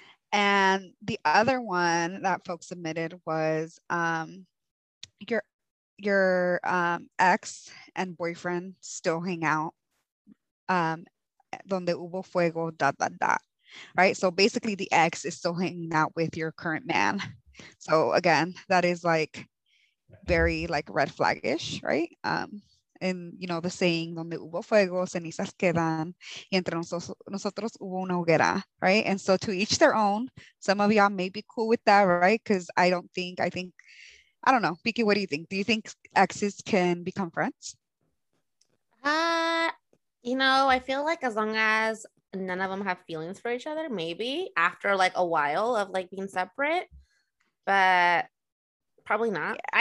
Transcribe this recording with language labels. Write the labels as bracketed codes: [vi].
[en] And the other one that folks submitted was your ex and boyfriend still hang out. [es] Donde hubo fuego, [en] dot, dot, dot. Right? So basically the ex is still hanging out with your current man. So again, that is like very like red flag-ish, right? And you know, the saying, [es] donde hubo fuego, cenizas quedan, y entre nosotros hubo una hoguera, right? [en] And so to each their own, some of y'all may be cool with that, right? Because I don't know. Piki, what do you think? Do you think exes can become friends? You know, I feel like as long as none of them have feelings for each other, maybe after like a while of like being separate, but probably not. Yeah.